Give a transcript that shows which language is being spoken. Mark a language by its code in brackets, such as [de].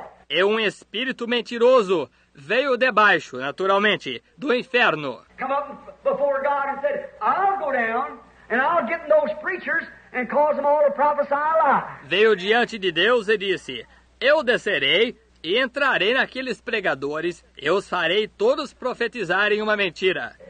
[pt] E um espírito mentiroso veio de baixo, naturalmente, do inferno. [en] Come up before God and said, I'll go down and I'll get those preachers and cause them all to prophesy lies. [pt] Veio diante de Deus e disse, eu descerei e entrarei naqueles pregadores e os farei todos profetizarem uma mentira.